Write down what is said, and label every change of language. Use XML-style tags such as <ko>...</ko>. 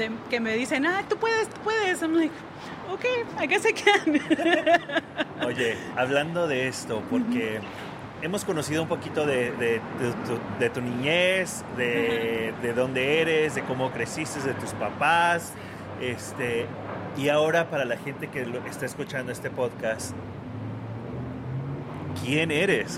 <es>que me dicen, ah, tú puedes.</es> <en>I'm like, okay, I guess I can.</en> <es>Oye, hablando de esto, porque hemos conocido un poquito de tu niñez, de dónde eres, de cómo creciste, de tus papás, y ahora para la gente que está escuchando este podcast, ¿quién eres?</es>